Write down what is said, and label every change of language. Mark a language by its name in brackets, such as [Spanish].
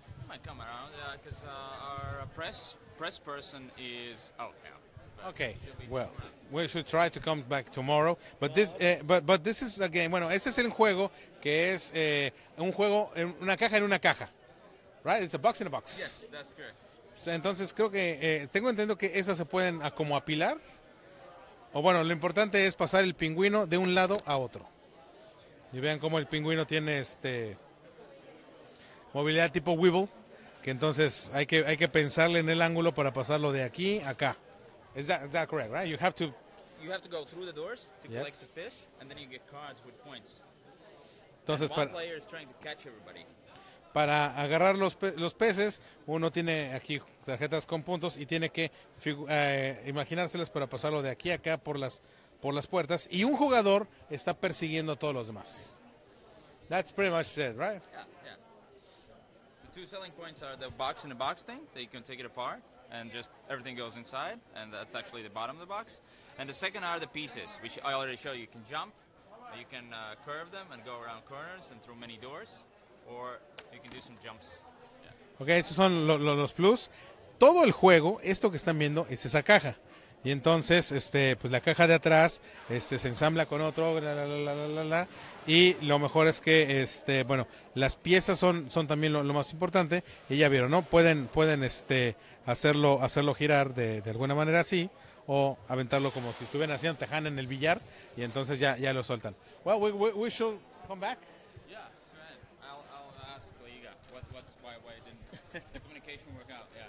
[English] You might come around, because our press person is out now. Okay, well, we should try to come back tomorrow, but this is a game. [Spanish] Bueno, este es el juego que es un juego en una caja right? [English] It's a box in a box. Yes, that's correct. [Spanish] Entonces creo que tengo entendido que esas se pueden como apilar. O bueno, lo importante es pasar el pingüino de un lado a otro. Y vean cómo el pingüino tiene movilidad tipo Weeble, que entonces hay que pensarle en el ángulo para pasarlo de aquí a acá. [English] Is that correct, right? You have to go through the doors to collect the fish, and then you get cards with points. [Spanish] Entonces, [English] and one player is trying to catch everybody. [Spanish] Para agarrar los peces, uno tiene aquí tarjetas con puntos y tiene que imaginárselas para pasarlo de aquí a acá por las puertas. Y un jugador está persiguiendo a todos los demás. [English] That's pretty much it, right? Yeah. The two selling points are the box and the box thing that you can take it apart. And just everything goes inside, and that's actually the bottom of the box. And the second are the pieces, which I already showed you. You can jump, you can curve them and go around corners and through many doors, or you can do some jumps. Yeah. [Spanish] Okay, estos son los plus. Todo el juego, esto que están viendo, es esa caja. Y entonces, pues la caja de atrás, se ensambla con otro, y lo mejor es que, las piezas son también lo más importante. Y ya vieron, ¿no? Pueden hacerlo girar de alguna manera así, o aventarlo como si estuvieran haciendo tejana en el billar, y entonces ya lo sueltan. [English] Well, we should come back. Yeah, go ahead. I'll ask Liga why it didn't the communication work out.